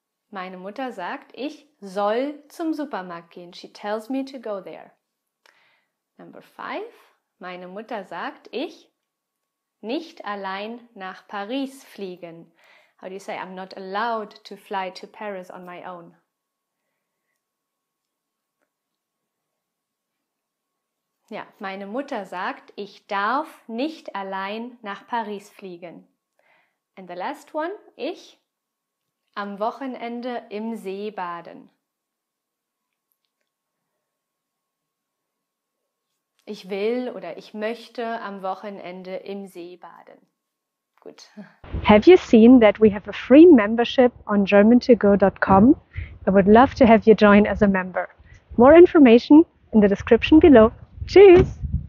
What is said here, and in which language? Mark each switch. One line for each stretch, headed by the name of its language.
German: Meine Mutter sagt, ich soll zum Supermarkt gehen.
English: She tells me to go there. Number five,
German: meine Mutter sagt, ich nicht allein nach Paris fliegen.
English: How do you say, I'm not allowed to fly to Paris on my own?
German: Ja, meine Mutter sagt, ich darf nicht allein nach Paris fliegen.
English: And the last one,
German: ich am Wochenende im See baden. Ich will oder ich möchte am Wochenende im See baden. Gut.
English: Have you seen that we have a free membership on germantogo.com? I would love to have you join as a member. More information in the description below.
German: Tschüss!